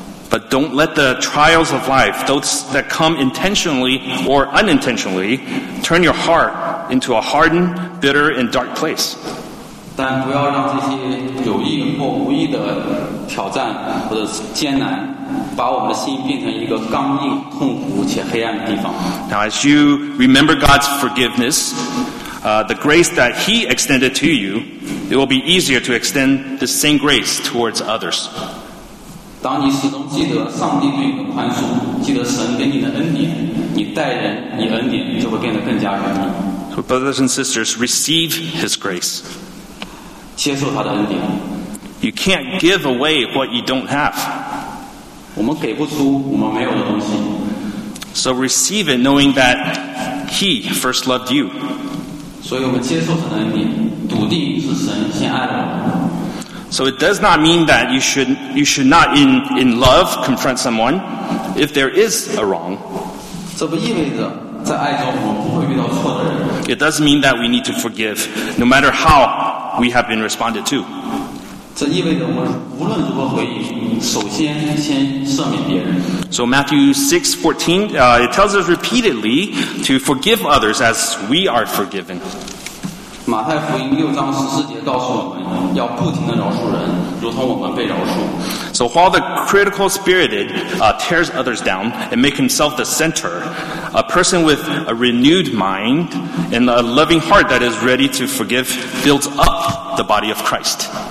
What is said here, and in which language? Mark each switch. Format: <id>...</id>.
<en>But don't let the trials of life, those that come intentionally or unintentionally, turn your heart into a hardened, bitter, and dark place.</en> <zh>但不要让这些有意或无意的挑战或者艰难把我们的心变成一个刚硬、痛苦且黑暗的地方。</zh> <en>Now as you remember God's forgiveness, the grace that He extended to you, it will be easier to extend the same grace towards others.</en> <zh>当你始终记得上帝对你的宽恕，记得神给你的恩典，你待人以恩典就会变得更加容易。</zh> <en>So brothers and sisters, receive His grace.</en> <zh>接受他的恩典。</zh> <en>You can't give away what you don't have.</en> <zh>我们给不出我们没有的东西。</zh> <en>So receive it knowing that he first loved you.</en> <zh>所以我们接受神的恩典，笃定是神先爱了我们。</zh> <en>So it does not mean that you should not in love confront someone if there is a wrong.</en> <zh>这不意味着在爱中我们不会遇到错的人。</zh> <en>It does mean that we need to forgive, no matter how we have been responded to.</en> <zh>这意味着我们无论如何回应，首先先赦免别人。</zh> <en>So Matthew 6:14, it tells us repeatedly to forgive others as we are forgiven.</en> <zh>马太福音六章十四节告诉我们，要不停地饶恕人，如同我们被饶恕。</zh> <en>So while the critical spirited tears others down and make himself the center, a person with a renewed mind and a loving heart that is ready to forgive builds up the body of Christ.</en>